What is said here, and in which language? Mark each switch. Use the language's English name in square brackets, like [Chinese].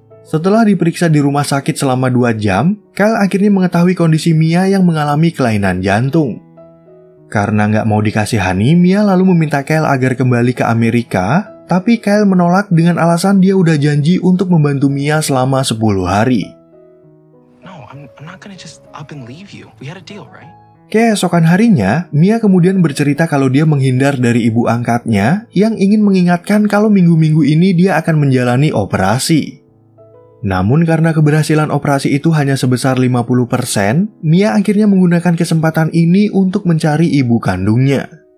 [Indonesian] Setelah diperiksa di rumah sakit selama 2 jam, Kyle akhirnya mengetahui kondisi Mia yang mengalami kelainan jantung. Karena nggak mau dikasihani, Mia lalu meminta Kyle agar kembali ke Amerika, tapi Kyle menolak dengan alasan dia udah janji untuk membantu Mia selama 10 hari. [English] No, I'm not gonna just up and leave you. We had a deal, right? [Indonesian] Keesokan harinya, Mia kemudian bercerita kalau dia menghindar dari ibu angkatnya yang ingin mengingatkan kalau minggu-minggu ini dia akan menjalani operasi. Namun karena keberhasilan operasi itu hanya sebesar 50%, Mia akhirnya menggunakan kesempatan ini untuk mencari ibu kandungnya.